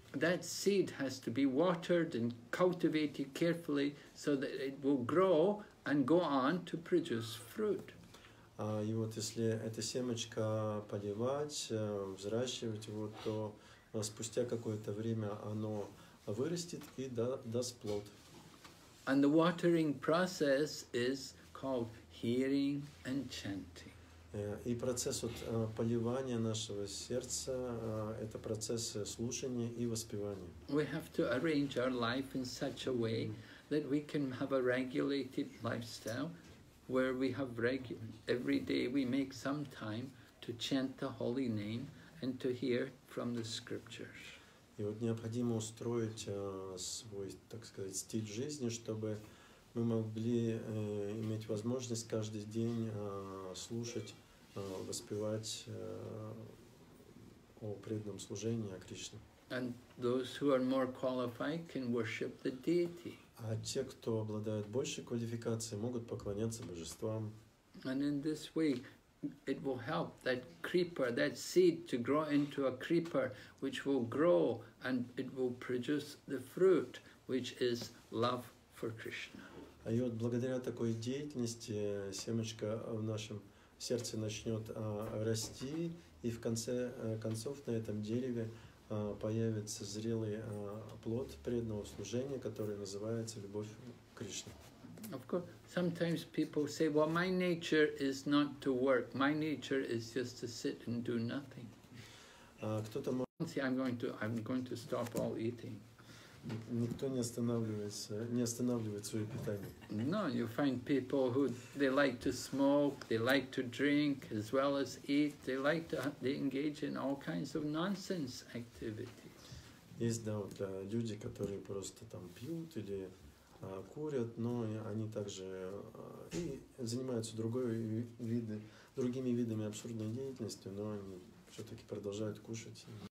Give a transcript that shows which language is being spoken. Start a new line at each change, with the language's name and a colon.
English: That seed has to be watered and cultivated carefully so that it will grow and go on to produce fruit.
Russian: И вот если это семечко поливать, взращивать его, то спустя какое-то время оно вырастет и даст плод.
English: And the watering process is called hearing and chanting.
Russian: И процесс вот поливания нашего сердца – это процесс слушания и воспевания.
English: We have to arrange our life in such a way that we can have a regulated lifestyle where we have every day we make some time to chant the holy name and to hear from the scriptures.
Russian: И вот необходимо устроить свой, так сказать, стиль жизни, чтобы мы могли иметь возможность каждый день слушать, воспевать о преданном служении, о Кришне.
English: And those who are more qualified can worship the deity.
Russian: А те, кто обладает большей квалификацией, могут поклоняться божествам.
English: And in this way, it will help that creeper, that seed, to grow into a creeper, which will grow and it will produce the fruit, which is love for Krishna.
Russian: А и вот благодаря такой деятельности семечко в нашем сердце начнет расти, и в конце концов на этом дереве появится зрелый плод преданного служения, который называется любовь к Кришне.
English: Of course, sometimes people say, well, my nature is not to work. My nature is just to sit and do nothing. I'm going to stop all eating.
Russian: Никто не останавливает свое питание.
English: No, you find people who they like to smoke, they like to drink as well as eat. They like to engage in all kinds of nonsense activities.
Russian: Есть, да, вот, люди, которые просто там пьют или курят, но они также и занимаются другими видами абсурдной деятельности, но они все-таки продолжают кушать.